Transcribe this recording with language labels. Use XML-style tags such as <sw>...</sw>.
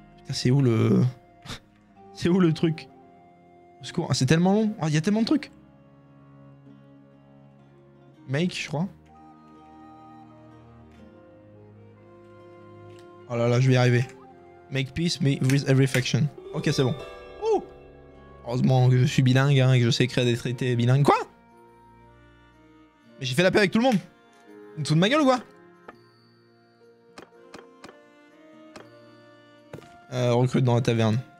<fr>C'est où le... C'est où le truc? Au secours. Ah, c'est tellement long. Ah, il y a tellement de trucs. Make, je crois. Oh là là, je vais y arriver.</fr> <en>Make peace with every faction.</en> <fr>Ok, c'est bon. Oh! Heureusement que je suis bilingue hein, et que je sais écrire des traités bilingues. Quoi? Mais j'ai fait la paix avec tout le monde. Tu te fous de ma gueule ou quoi? Recrute dans la taverne.</fr>